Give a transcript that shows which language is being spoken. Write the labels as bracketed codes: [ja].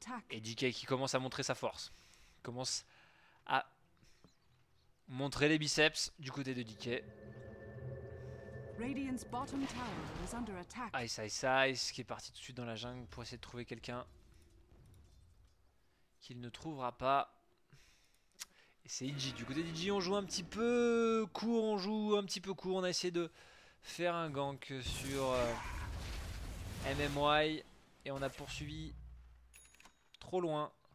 [fr] Et DK qui commence à montrer sa force. Commence à montrer les biceps du côté de DK. [en] Radiance bottom tower is under attack. [fr] Ice Ice Ice qui est parti tout de suite dans la jungle pour essayer de trouver quelqu'un qu'il ne trouvera pas. Et c'est EG. Du côté d'EG, on joue un petit peu court, on joue un petit peu court. On a essayé de faire un gank sur MMY et on a poursuivi trop loin.